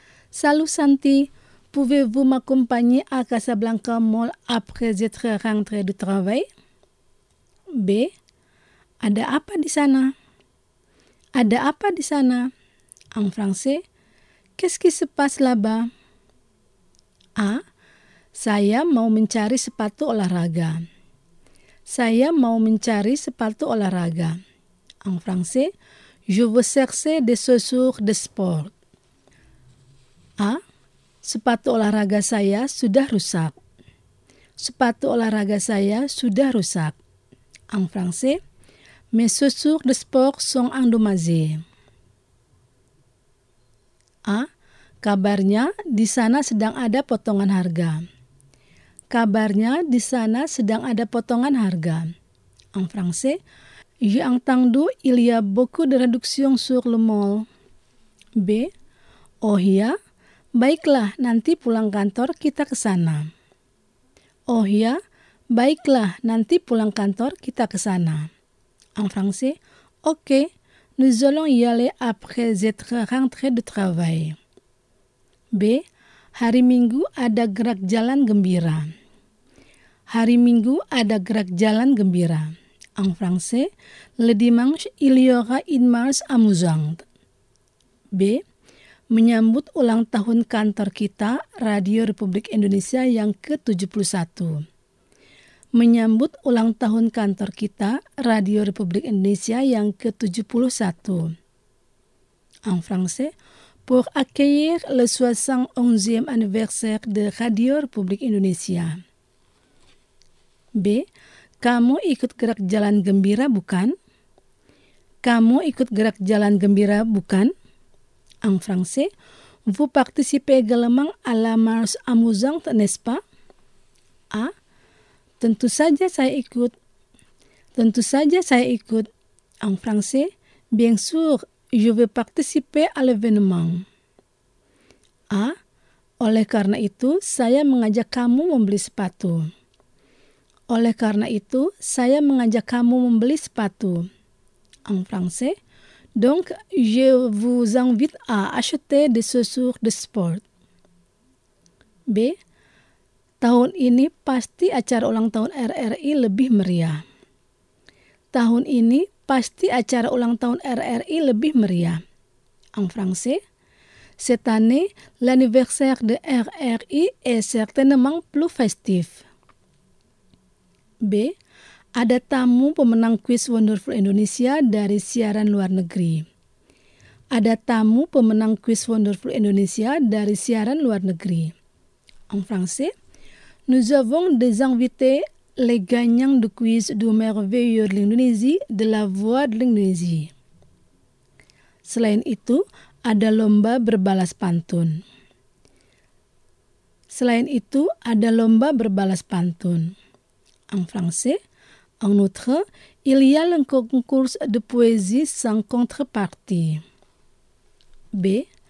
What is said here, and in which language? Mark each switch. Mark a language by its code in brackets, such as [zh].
[fr] Salut Santi, pouvez-vous m'accompagner à Casablanca Mall après être rentré du travail? [id] B. Ada apa di sana? Ada apa di sana? [fr] En français. Qu'est-ce qui se passe là-bas? A. [id] Saya mau mencari sepatu olahraga. Saya mau mencari sepatu olahraga. [fr] En français, je veux chercher des chaussures de sport. A. [id] Sepatu olahraga saya sudah rusak. Sepatu olahraga saya sudah rusak. [fr] En français, mes chaussures de sport sont endommagées. [id] A. Kabarnya di sana sedang ada potongan harga. Kabarnya di sana sedang ada potongan harga. [fr] En français, Yang tangdu il y a beaucoup de réductions sur le mall. [id] B. Oh ya, baiklah, nanti pulang kantor kita ke sana. Oh ya, baiklah, nanti pulang kantor kita ke sana. [fr] En français, ok, nous allons y aller après être rentré de travail. B. [id] Hari Minggu ada gerak jalan gembira. Hari Minggu ada gerak jalan gembira. [fr] En français, le dimanche, il y aura une marche amusante. B. [id] Menyambut ulang tahun kantor kita, Radio Republik Indonesia yang ke-71. Menyambut ulang tahun kantor kita, Radio Republik Indonesia yang ke-71. [fr] En français, pour accueillir le 71e anniversaire de Radio Republik Indonesia. B. [id] Kamu ikut gerak jalan gembira, bukan? Kamu ikut gerak jalan gembira, bukan? [fr] En français, vous participez également à la marche amusante, n'est-ce pas? A. [id] Tentu saja saya ikut. Tentu saja saya ikut. [fr] En français, bien sûr, je veux participer à l'événement. A. [id] Oleh karena itu, saya mengajak kamu membeli sepatu. Oleh karena itu, saya mengajak kamu membeli sepatu. [fr] En français, donc je vous invite à acheter des chaussures de sport. B. [id] Tahun ini pasti acara ulang tahun RRI lebih meriah. Tahun ini pasti acara ulang tahun RRI lebih meriah. [fr] En français, cette année, l'anniversaire de RRI est certainement plus festif. B. [id] Ada tamu pemenang kuis Wonderful Indonesia dari siaran luar negeri. Ada tamu pemenang kuis Wonderful Indonesia dari siaran luar negeri. [fr] En français, nous avons des invités, les gagnants du quiz du Merveilleux de l'Indonésie de la Voix de l'Indonésie. [id] Selain itu, ada lomba berbalas pantun. Selain itu, ada lomba berbalas pantun. [fr] En français, en outre, il y a le concours de poésie sans contrepartie. B.